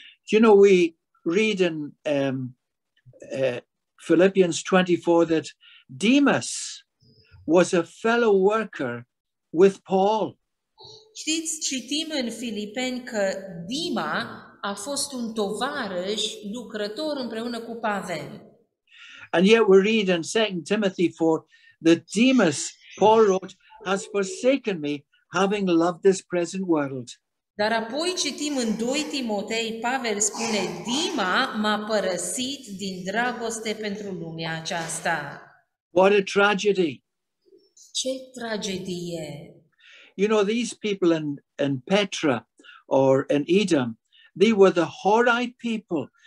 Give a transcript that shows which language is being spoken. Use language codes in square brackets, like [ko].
[en] You know, we read in Philippians 24 that Demas was a fellow worker with Paul. [ro] Știți, citim în Filipeni că Dima a fost un tovarăș lucrător împreună cu Pavel. [en] And yet we read in 2 Timothy 4 that Demas, Paul wrote, has forsaken me, having loved this present world. [ro] Dar apoi citim în 2 Timotei, Pavel spune, Dima m-a părăsit din dragoste pentru lumea aceasta. [en] What a tragedy! [ro] Ce tragedie! [en] You know, these people in Petra or in Edom, they were the Horite people.